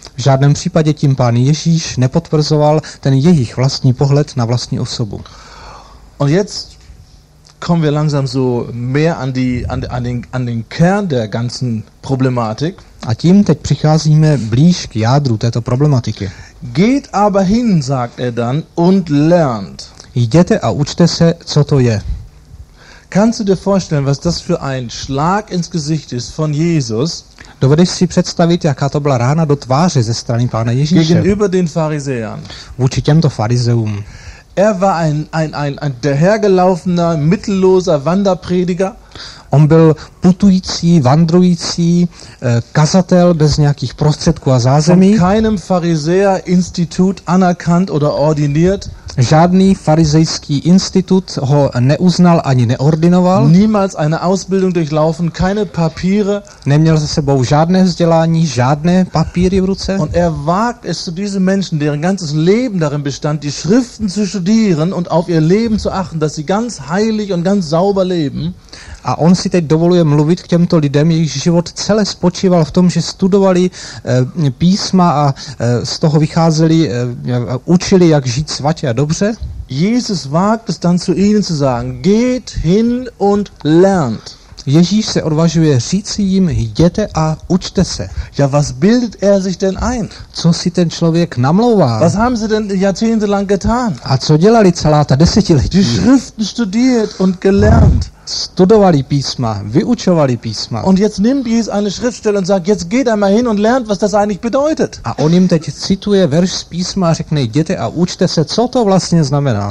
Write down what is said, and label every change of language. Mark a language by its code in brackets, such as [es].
[cs] V žádném případě tím pán Ježíš nepotvrzoval ten jejich vlastní pohled na vlastní osobu. [de] Und jetzt kommen wir langsam so mehr an die an den Kern der ganzen Problematik. [cs] A tím teď přicházíme blíž k jádru této problematiky. [de] Geht aber hin, sagt er dann und lernt. [cs] Jděte a učte se, co to je. [de] Kannst du dir vorstellen, was das für ein Schlag ins Gesicht ist von Jesus? [cs] Dovedeš si představit, jaká to byla rána do tváře ze strany pána Ježíše? [de] Gegenüber den Pharisäern. [cs] Vůči těmto farizeům. [de] Er war ein dahergelaufener, mittelloser Wanderprediger. [cs] On byl putující, wandrující kazatel bez nějakých prostředků a zázemí. [de] Von keinem Pharisäer-Institut anerkannt oder ordiniert. [cs] Žádný farizejský institut ho neuznal ani neordinoval. [de] Niemals eine Ausbildung durchlaufen, keine Papiere. [cs] Neměl za sebou žádné vzdělání, žádné papíry v ruce. [de] Und er wagt es zu diesen Menschen, deren ganzes Leben darin bestand, die Schriften zu studieren und auf ihr Leben zu achten, dass sie ganz heilig und ganz sauber leben. [cs] A on si teď dovoluje mluvit k těmto lidem, jejich život celé spočíval v tom, že studovali písma a z toho vycházeli, učili, jak žít svatě a dobře. [de] Jesus wagt es dann zu ihnen zu sagen, geht hin und lernt. [cs] Ježíš se odvažuje říci jim, jděte a učte se. [de] Ja, was bildet er sich denn ein? [cs] Co si ten člověk namlouvá? [de] Was haben sie denn jahrzehntelang getan? [cs] A co dělali celá ta desetiletí? [de] Die Schriften studiert und gelernt. [cs] Studovali písma, vyučovali písma. [de] Und jetzt nimmt Jesus eine Schriftstelle und sagt, jetzt geht einmal hin und lernt, was das eigentlich bedeutet. [cs] A on jim teď cituje verš z písma a řekne, jděte a učte se, co to vlastně znamená.